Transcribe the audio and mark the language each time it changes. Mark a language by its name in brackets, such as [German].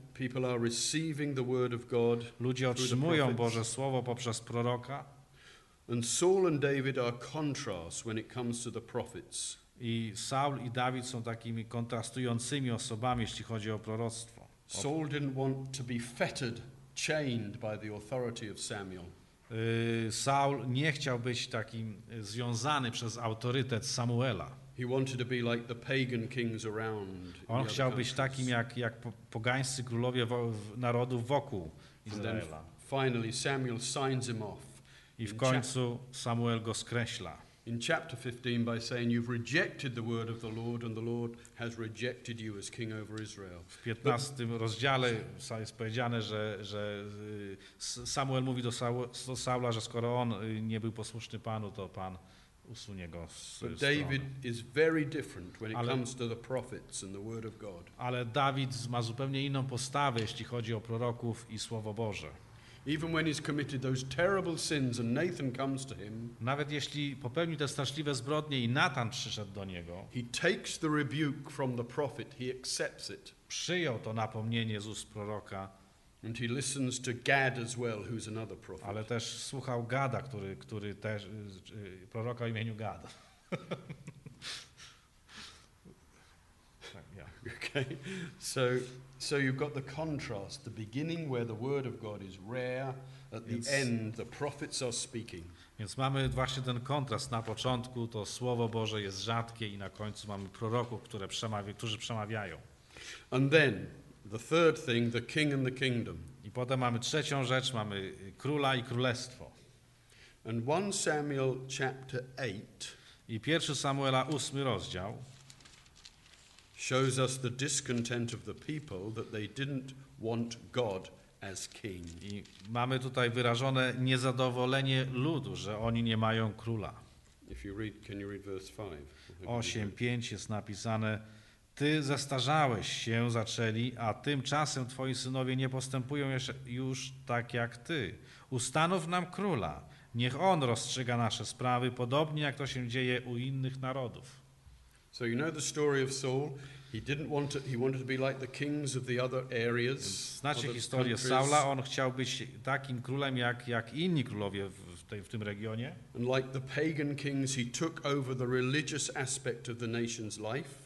[English] People are receiving the word of God. [Polish] Ludzie otrzymują Boże słowo poprzez proroka. [English] And Saul and David are contrasts when it comes to the prophets. [Polish] I Saul i Dawid są takimi kontrastującymi osobami, jeśli chodzi o proroctwo. [English] Saul didn't want to be fettered, chained by the authority of Samuel. [Polish] Saul nie chciał być takim związany przez autorytet Samuela. [English] He wanted to be like the pagan kings around. [Polish] On chciał być takim jak pogańscy królowie narodów wokół Izraela. [English] Finally Samuel signs him off. [Polish] I w końcu Samuel go skreśla. [English] In chapter 15 by saying you've rejected the word of the Lord and the Lord has rejected you as king over Israel. [Polish] W 15 rozdziale jest powiedziane, że Samuel mówi do Saula, że skoro on nie był posłuszny Panu, to Pan usunie go z strony. [English] But David is very different when it comes to the prophets and the word of God. [Polish] Ale Dawid ma zupełnie inną postawę, jeśli chodzi o proroków i słowo Boże. [English] Even when he's committed those terrible sins and Nathan comes to him, [Polish] nawet jeśli popełnił te straszliwe zbrodnie i Natan przyszedł do niego, [English] he takes the rebuke from the prophet, he accepts it. [Polish] Przyjął to napomnienie z ust proroka. [English] And he listens to Gad as well, who's another prophet. [Polish] Ale też słuchał Gada, który też proroka o imieniu Gad. [English] Okay. So you've got the contrast, the beginning where the word of God is rare, at the end the prophets are speaking. [Polish] Więc mamy właśnie ten kontrast. Na początku to słowo Boże jest rzadkie i na końcu mamy proroków, którzy przemawiają. [English] And then The third thing, the king and the kingdom. [Polish] I potem mamy trzecią rzecz, mamy króla i królestwo. [English] And 1 Samuel chapter 8. [Polish] I 1 Samuela 8 rozdział [English] shows us the discontent of the people that they didn't want God as king. [Polish] I mamy tutaj wyrażone niezadowolenie ludu, że oni nie mają króla. [English] If you read, can you read verse 5? [Polish] 8:5 jest napisane: Ty zestarzałeś się, zaczęli, a tymczasem twoi synowie nie postępują już tak jak ty. Ustanów nam króla. Niech on rozstrzyga nasze sprawy, podobnie jak to się dzieje u innych narodów. [English] So you know the story of Saul. He didn't want to, he wanted to be like the kings of the other areas. [Polish] Znacie historię Saula, on chciał być takim królem jak inni królowie w tym regionie. [English] And like the pagan kings, he took over the religious aspect of the nation's life.